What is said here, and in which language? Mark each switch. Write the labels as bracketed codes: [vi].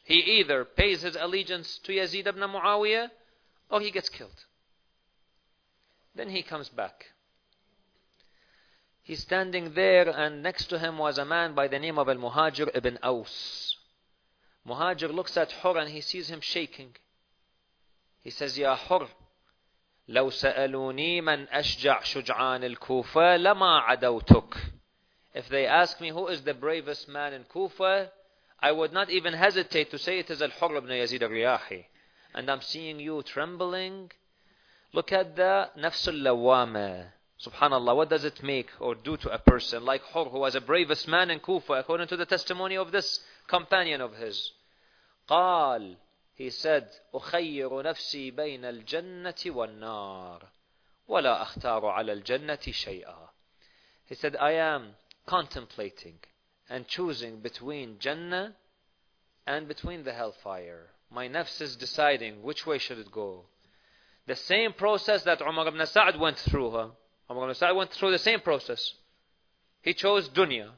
[en] He either pays his allegiance to Yazid ibn Muawiyah or he gets killed. Then he comes back. He's standing there, and next to him was a man by the name of Al-Muhajir ibn Aws. Muhajir looks at Hur and he sees him shaking. He says, Ya Hur, [ar] لو سألوني من أشجع شجعان الكوفة لما عدوتك. [en] If they ask me who is the bravest man in Kufa, I would not even hesitate to say it is Al-Hurr ibn Yazid al-Riyahi. And I'm seeing you trembling. Look at the nafsul lawama. Subhanallah, what does it make or do to a person like Hur, who was the bravest man in Kufa, according to the testimony of this companion of his? [ar] قال, [en] he said, [ar] أخير نفسي بين الجنة والنار ولا أختار على الجنة شيئا. [en] He said, I am contemplating and choosing between Jannah and between the hellfire. My nafs is deciding which way should it go. The same process that Umar ibn Sa'd went through. Umar ibn Sa'd went through the same process. He chose dunya.